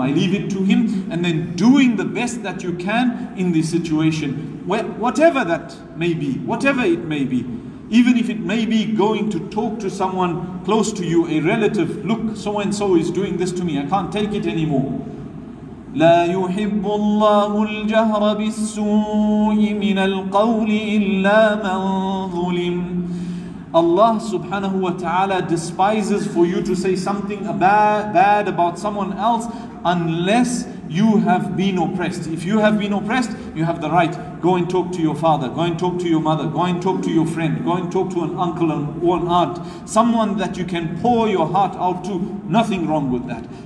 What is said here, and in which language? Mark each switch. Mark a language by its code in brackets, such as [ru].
[en] I leave it to Him, and then doing the best that you can in this situation, whatever that may be, whatever it may be. Even if it may be going to talk to someone close to you, a relative, look, so and so is doing this to me, I can't take it anymore. [ar] لا يحب الله الجهر بالسوء من القول إلا من ظلم. [en] Allah subhanahu wa ta'ala despises for you to say something bad about someone else unless you have been oppressed. If you have been oppressed, you have the right. Go and talk to your father, go and talk to your mother, go and talk to your friend, go and talk to an uncle or an aunt, someone that you can pour your heart out to. Nothing wrong with that.